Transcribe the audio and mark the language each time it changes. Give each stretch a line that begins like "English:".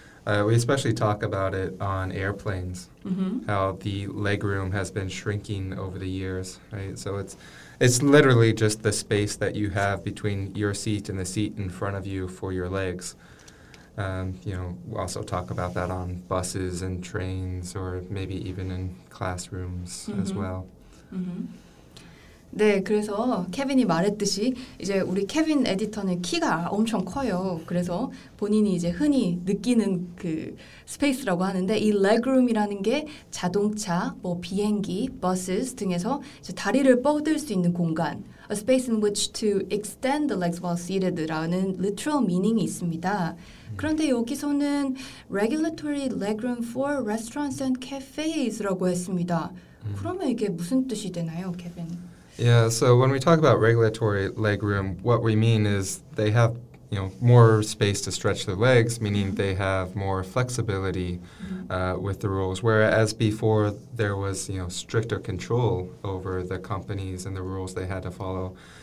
English: We especially talk about it on airplanes, how the legroom has been shrinking over the years, right? So it's literally just the space that you have between your seat and the seat in front of you for your legs. We also talk about that on buses and trains or maybe even in classrooms as well. Mm-hmm.
Korean: 네, 그래서 케빈이 말했듯이 이제 우리 케빈 에디터는 키가 엄청 커요. 그래서 본인이 이제 흔히 느끼는 그 스페이스라고 하는데 이 legroom이라는 게 자동차, 뭐 비행기, buses 등에서 이제 다리를 뻗을 수 있는 공간,
English: a space in which to extend the legs while seated
Korean: 라는 literal meaning이 있습니다. 그런데 여기서는
English: regulatory legroom for restaurants and cafes
Korean: 라고 했습니다. 그러면 이게 무슨 뜻이 되나요, 케빈?
English: Yeah, so when we talk about regulatory legroom, what we mean is they have, you know, more space to stretch their legs, meaning they have more flexibility with the rules. Whereas before there was, you know, stricter control over the companies and the rules they had to follow.